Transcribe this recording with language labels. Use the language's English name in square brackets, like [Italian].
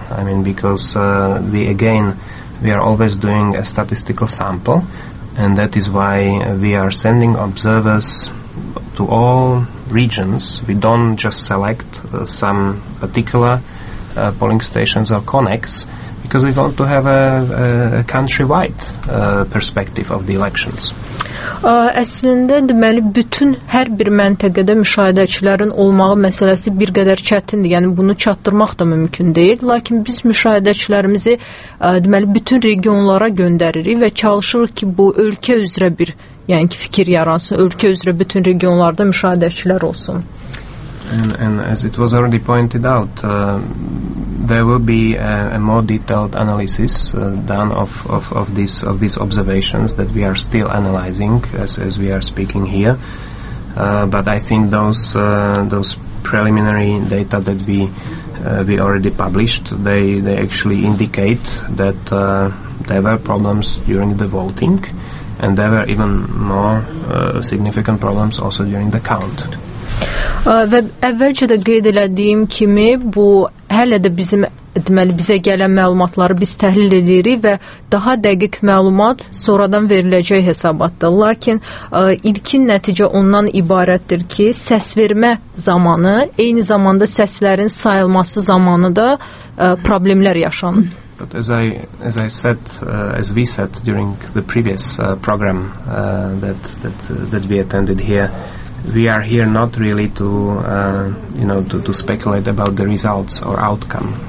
[English] I mean, because we are always doing a statistical sample, and that is why we are sending observers to all regions. We don't just select some particular polling stations or connects, because we want to have a countrywide perspective of the elections. [Azerbaijani] Əslində, deməli, bütün hər bir məntəqədə müşahidəçilərin olmağı məsələsi bir qədər çətindir. Yəni, bunu çatdırmaq da mümkün deyil. Lakin biz müşahidəçilərimizi, deməli, bütün regionlara göndəririk və çalışırıq ki, bu ölkə üzrə bir, yəni ki, fikir yaransın, ölkə üzrə bütün regionlarda müşahidəçilər olsun. [English] And as it was already pointed out, there will be a more detailed analysis done of these observations that we are still analyzing as we are speaking here. But I think those preliminary data that we already published, they actually indicate that there were problems during the voting, and there were even more significant problems also during the count. [Azerbaijani] Və əvvəlcə də qeyd elədiyim kimi, bu hələ də bizim, deməli, bizə gələn məlumatları biz təhlil edirik və daha dəqiq məlumat sonradan veriləcək hesabatdır. Lakin ilkin nəticə ondan ibarətdir ki, səs vermə zamanı, eyni zamanda səslərin sayılması zamanı da problemlər yaşanır. [English] But as we said during the previous program that we attended here, we are here not really to speculate about the results or outcome.